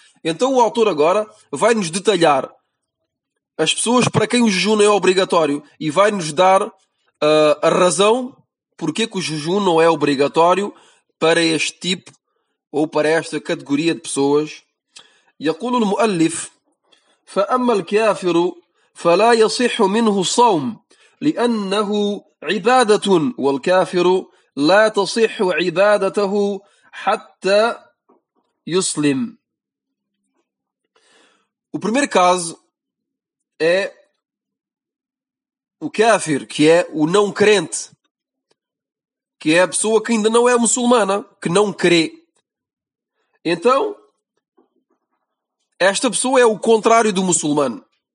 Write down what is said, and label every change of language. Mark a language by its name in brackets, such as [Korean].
[Portuguese] Então o autor agora vai-nos detalhar as pessoas para quem o jejum não é obrigatório e vai-nos dar a razão porque que o jejum não é obrigatório para este tipo ou para esta categoria de pessoas. [Arabic] يقول المؤلف: فأما الكافر فلا يصح منه الصوم لأنه عبادة والكافر لا تصح عبادته حتى يسلم. [Portuguese] O primeiro caso é o kafir, que é o não crente, que é a pessoa que ainda não é muçulmana, que não crê. Então, esta pessoa é o contrário do muçulmano.